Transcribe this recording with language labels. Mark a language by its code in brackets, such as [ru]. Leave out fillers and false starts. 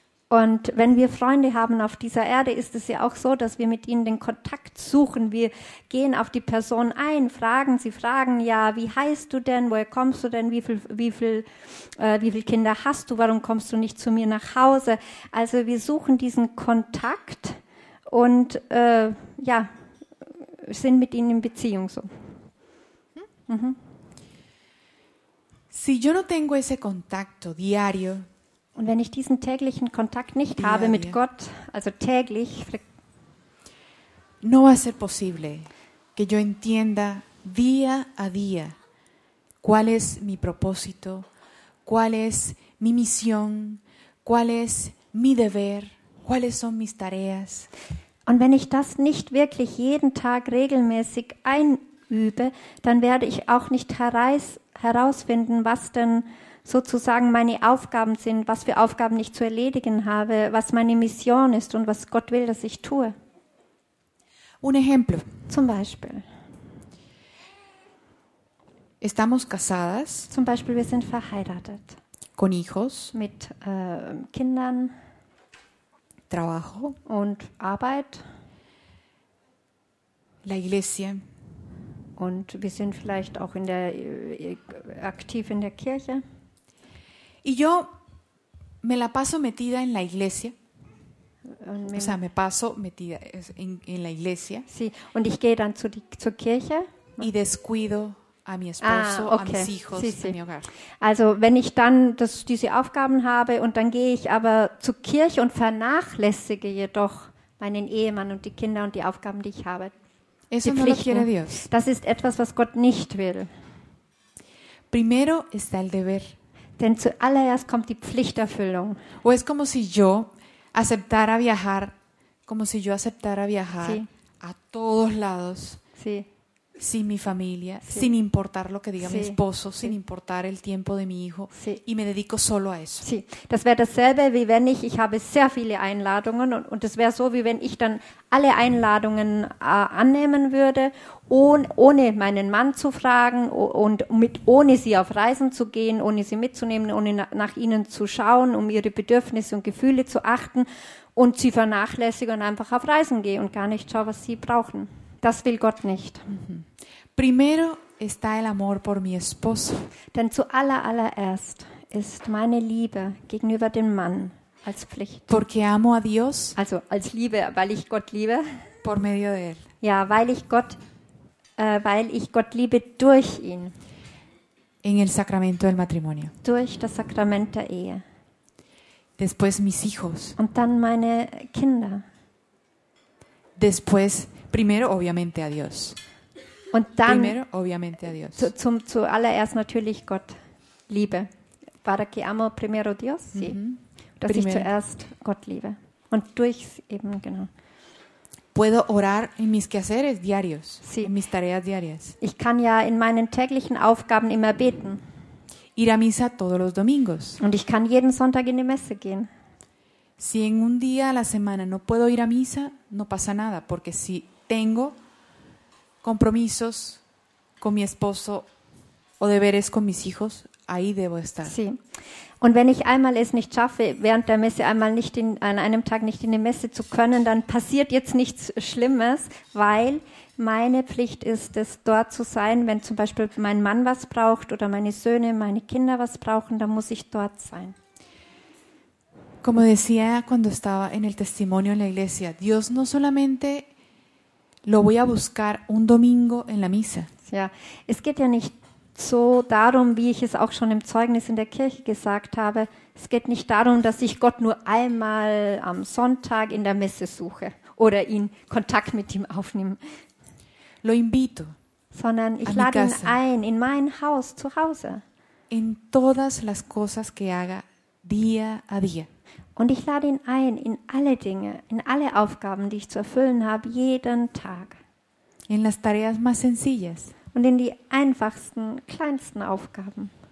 [de] Und wenn wir Freunde haben auf dieser Erde, ist es ja auch so, dass wir mit ihnen den Kontakt suchen. Wir gehen auf die Person ein, fragen sie, fragen ja, wie heißt du denn, woher kommst du denn, wie viel Kinder hast du, warum kommst du nicht zu mir nach Hause? Also wir suchen diesen Kontakt und sind mit ihnen in Beziehung so. [es] Si yo no tengo ese contacto diario. [de] Und wenn ich diesen täglichen Kontakt nicht habe mit Gott, also täglich, [es] no va a ser posible que yo entienda día a día cuál es mi propósito, cuál es mi misión, cuál es mi deber, cuáles son mis tareas. [de] Und wenn ich das nicht wirklich jeden Tag regelmäßig einübe, dann werde ich auch nicht herausfinden, was denn sozusagen meine Aufgaben sind, was für Aufgaben ich zu erledigen habe, was meine Mission ist und was Gott will, dass ich tue. [es] Un ejemplo. [de] Zum Beispiel. [es] Estamos casadas. [de] Zum Beispiel, wir sind verheiratet. [es] Con hijos. [de] Mit Kindern. [es] Trabajo. [de] Und Arbeit. [es] La iglesia. [de] Und wir sind vielleicht auch aktiv in der Kirche. [es] Y yo me la paso metida en la iglesia. O sea, me paso metida en la iglesia. [de] Sí, und ich gehe dann zur Kirche. [es] Y descuido a mi esposo, okay. A mis hijos, sí. A mi hogar. [de] Also, wenn ich dann diese Aufgaben habe und dann gehe ich aber zur Kirche und vernachlässige jedoch meinen Ehemann und die Kinder und die Aufgaben, die ich habe. [es] Eso no lo quiere Dios. [de] Das ist etwas, was Gott nicht will. [es] Primero está el deber. [de] Denn zuallererst kommt die Pflichterfüllung. [es] O es como si yo aceptara viajar, como si yo aceptara viajar a todos lados, sin mi familia, sin importar lo que diga mi esposo, sin importar el tiempo de mi hijo, y me dedico solo a eso. [de] Sí, das wäre dasselbe, wie wenn ich habe sehr viele Einladungen und es wäre so, wie wenn ich dann alle Einladungen annehmen würde, ohne meinen Mann zu fragen und ohne sie auf Reisen zu gehen, ohne sie mitzunehmen, ohne nach ihnen zu schauen, um ihre Bedürfnisse und Gefühle zu achten und sie vernachlässigen und einfach auf Reisen gehen und gar nicht schauen, was sie brauchen. Das will Gott nicht. [es] Primero está el amor por mi esposo. [de] Denn zuallererst ist meine Liebe gegenüber dem Mann als Pflicht. [es] Porque amo a Dios. [de] Also als Liebe, weil ich Gott liebe. [es] Por medio de él. [de] Ja, weil ich Gott liebe durch ihn. [es] En el sacramento del matrimonio. [de] Durch das Sakrament der Ehe. [es] Después mis hijos. [de] Und dann meine Kinder. [es] Después primero obviamente a Dios. [de] Und dann [es] primero obviamente a Dios. [de] Zuallererst natürlich Gott liebe. [es] Para que amo primero Dios, sí. [de] Dass primero. Ich zuerst Gott liebe und durch eben genau. [es] Puedo orar en mis quehaceres diarios, en mis tareas diarias. [de] Ich kann ja in meinen täglichen Aufgaben immer beten. [es] Ir a misa todos los domingos. [de] Und ich kann jeden Sonntag in die Messe gehen. [es] Si en un día a la semana no puedo ir a misa, no pasa nada, porque si tengo compromisos con mi esposo o deberes con mis hijos, ahí debo estar. Sí. [de] Und wenn ich einmal es nicht schaffe, während der Messe einmal nicht an einem Tag nicht in die Messe zu können, dann passiert jetzt nichts Schlimmes, weil meine Pflicht ist es, dort zu sein, wenn zum Beispiel mein Mann was braucht oder meine Söhne, meine Kinder was brauchen, dann muss ich dort sein. [es] Como decía cuando estaba en el testimonio en la iglesia, Dios no solamente lo voy a buscar un domingo en la misa. [de] Ja, es geht ja nicht so darum, wie ich es auch schon im Zeugnis in der Kirche gesagt habe, es geht nicht darum, dass ich Gott nur einmal am Sonntag in der Messe suche oder ihn Kontakt mit ihm aufnehme. [es] Lo invito. [de] Sondern ich lade ihn ein in mein Haus, zu Hause. [es] en todas las cosas que haga día a día. [de] Und ich lade ihn ein in alle Dinge, in alle Aufgaben, die ich zu erfüllen habe, jeden Tag. [es] En las tareas más sencillas. [de] Und in die einfachsten, kleinsten Aufgaben.